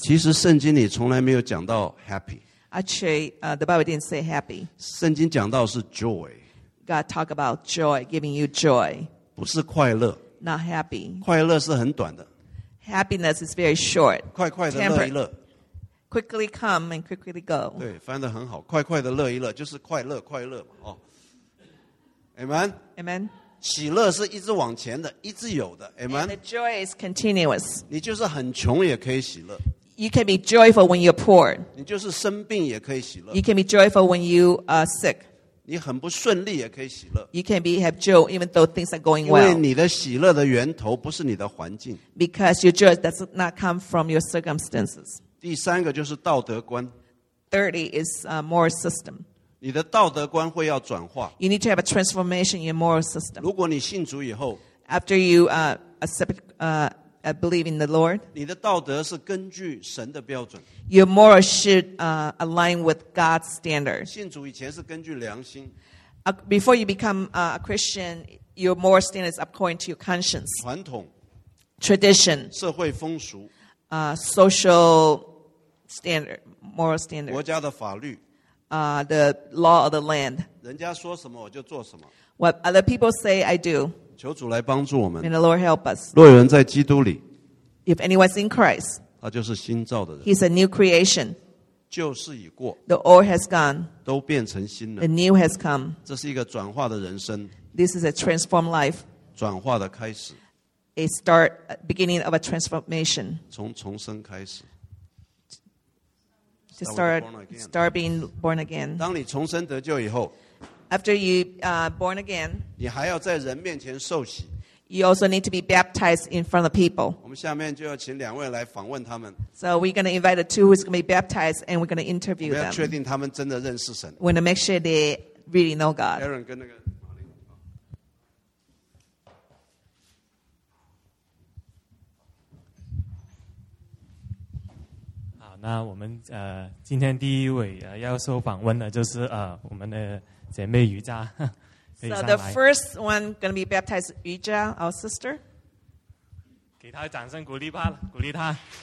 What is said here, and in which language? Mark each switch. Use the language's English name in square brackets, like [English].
[Chinese] 其实圣经里从来没有讲到 happy. [English] Actually, the Bible didn't say happy. [Chinese] 圣经讲到是 joy. [English] God talk about joy, giving you joy. [Chinese] 不是快乐。 [English] Not happy. [Chinese] 快乐是很短的。 [English] Happiness is very short. [Chinese] 快快的乐一乐。 [English] Quickly come and quickly go. [Chinese] 对，翻得很好。快快的乐一乐，就是快乐，快乐嘛，哦。 [English] Amen. Amen. [Chinese] 喜乐是一直往前的，一直有的。 [English] Amen. And the joy is continuous. [Chinese] 你就是很穷也可以喜乐。 [English] You can be joyful when you're poor. [Chinese] 你就是生病也可以喜乐。 [English] You can be joyful when you are sick. [Chinese] 你很不顺利也可以喜乐。 [English] You can be have joy even though things are going well. [Chinese] 因为你的喜乐的源头不是你的环境。 [English] Because your joy does not come from your circumstances. [Chinese] 第三个就是道德观。 [English] Thirdly is a moral system. [Chinese] 你的道德观会要转化。 [English] You need to have a transformation in your moral system. [Chinese] 如果你信主以后。 [English] After you accept, believe in the Lord. [Chinese] 你的道德是根据神的标准。 [English] Your moral should align with God's standard. [Chinese] 信主以前是根据良心。 [English] Before you become a Christian, your moral standard is according to your conscience. [Chinese] 传统。 [English] Tradition. [Chinese] 社会风俗。 [English] Social standard, moral standard. [Chinese] 国家的法律。 [English] The law of the land. [Chinese] 人家说什么我就做什么。 [English] What other people say, I do. [Chinese] 求主来帮助我们。 [English] May the Lord help us. [Chinese] 若有人在基督里。 [English] If anyone's in Christ. [Chinese] 他就是新造的人。 [English] He's a new creation. [Chinese] 旧事已过。 [English] The old has gone. [Chinese] 都变成新了。 [English] The new has come. [Chinese] 这是一个转化的人生。 [English] This is a transformed life. [Chinese] 转化的开始。 [English] A start, a beginning of a transformation. [Chinese] 从重生开始。 [English] To start being born again. [Chinese] 当你重生得救以后。 [English] After you born again. [Chinese] 你还要在人面前受洗。 [English] You also need to be baptized in front of people. [Chinese] 我们下面就要请两位来访问他们。 [English] So we're going to invite the two who's going to be baptized, and we're going to interview them. [Chinese] 我们要确定他们真的认识神。 [English] We're going to make sure they really know God. [Chinese] Aaron 跟那个。好，那我们今天第一位要受访问的就是我们的姐妹瑜伽。 [English] So the first one going to be baptized, Yuja, our sister. [Chinese] 给她掌声鼓励吧，鼓励她。